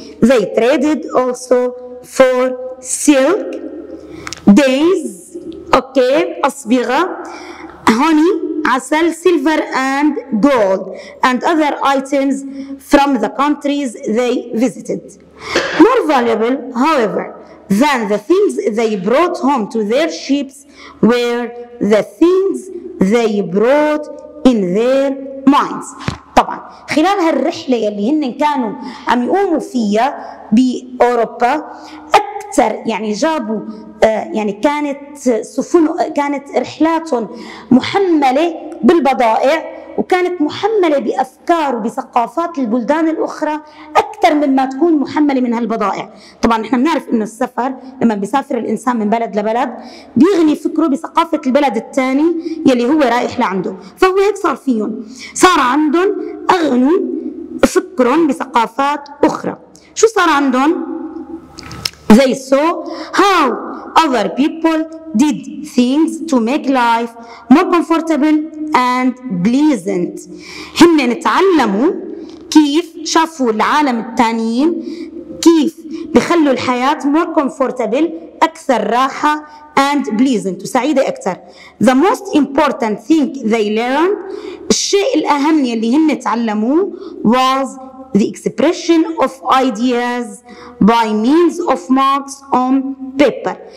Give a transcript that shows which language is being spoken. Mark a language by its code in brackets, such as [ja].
[en] They traded also for silk days okay [ar] اصبغه [en] honey [ar] عسل [en] silver and gold and other items from the countries they visited. More valuable however than the things they brought home to their ships were the things they brought in their minds. [ar] طبعا خلال هالرحلة اللي هن كانوا عم يقوموا فيها بأوروبا أكثر يعني جابوا يعني كانت سفن كانت رحلاتهم محملة بالبضائع وكانت محملة بأفكار وبثقافات البلدان الأخرى أكثر مما تكون محملة من هالبضائع. طبعا نحن بنعرف أنه السفر لما بيسافر الإنسان من بلد لبلد بيغني فكره بثقافة البلد الثاني يلي هو رايح لعنده. فهو هيك صار فيهم صار عندهم أغنوا فكرهم بثقافات أخرى. شو صار عندهم؟ [en] They saw how other people did things to make life more comfortable and pleasant. [ar] هم نتعلموا كيف شافوا العالم التانيين كيف بخلوا الحياة [en] more comfortable [ar] أكثر راحة [en] and pleasant [ar] وسعيدة أكثر. [en] The most important thing they learned [ar] الشيء الأهم اللي هم تعلموه [en] was the expression of ideas by means of marks on paper.